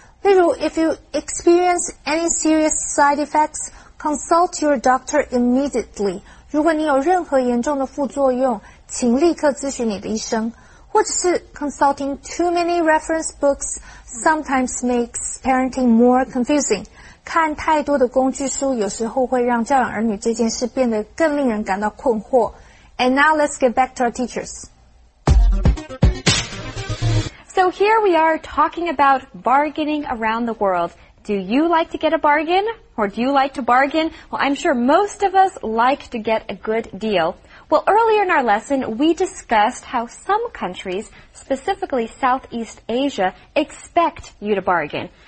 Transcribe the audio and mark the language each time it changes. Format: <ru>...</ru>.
<zh>例如</zh> <en>,if you experience any serious side effects, consult your doctor immediately.</en> <zh>如果你有任何严重的副作用,请立刻咨询你的医生。或者是</zh> <en>consulting too many reference books sometimes makes parenting more confusing.</en> <zh>看太多的工具书有时候会让教养儿女这件事变得更令人感到困惑。</zh> <en>And now let's get back to our teachers. So here we are talking about bargaining around the world. Do you like to get a bargain? Or do you like to bargain? Well, I'm sure most of us like to get a good deal. Well, earlier in our lesson, we discussed how some countries, specifically Southeast Asia, expect you to bargain.</en>